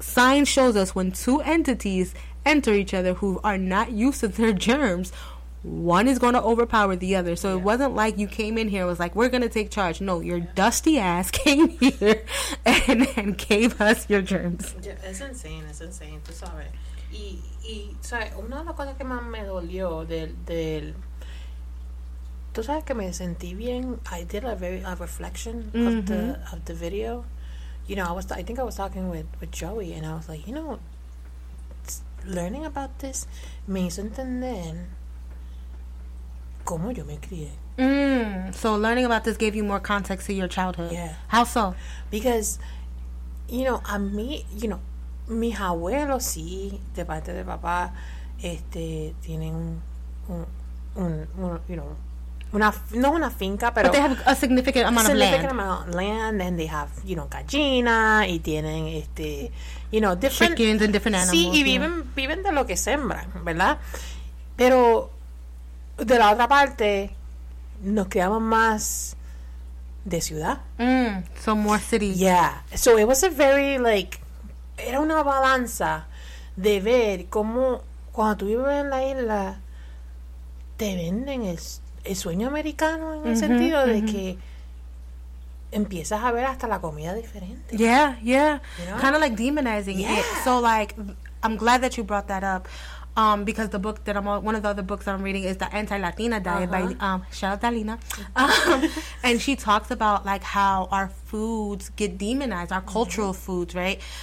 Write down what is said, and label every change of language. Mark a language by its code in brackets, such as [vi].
[en] science shows us when two entities enter each other who are not used to their germs, one is going to overpower the other. So yeah. it wasn't like you came in here and was like, we're going to take charge. No, your yeah. dusty ass came here and gave us your germs. It's insane. It's insane. [es] Tú sabes. Y, una de las cosas que más me dolió del... Tú sabes que me sentí bien. [en] I did a reflection mm-hmm. of the video. You know, I think I was talking with Joey and I was like, you know, learning about this [es] me hizo entender... ¿Cómo yo me crié? [en] Mm, so learning about this gave you more context to your childhood. Yeah. How so? Because, you know, [es] a mí, [en] you know, [es] mis abuelos sí, de parte de papá, tienen una finca, pero... [en] But they have a significant amount of land. And they have, you know, [es] gallina, y tienen, [en] you know, different... Chickens and different animals. [es] Sí, y viven de lo que sembran, ¿verdad? Pero... De la otra parte, nos criamos más de ciudad. [en] Mm, so more city. Yeah. So it was a very, like, [es] era una balanza de ver cómo cuando tú vives en la isla, te venden el sueño americano en mm-hmm, el sentido mm-hmm. de que empiezas a ver hasta la comida diferente. [en] Yeah, yeah. You know? Kind of like demonizing yeah. it. So, like, I'm glad that you brought that up. Because the book that I'm one of the other books that I'm reading is The Anti-Latina Diet uh-huh. by shout out Dalina. And she talks about like how our foods get demonized, our cultural mm-hmm. foods, right?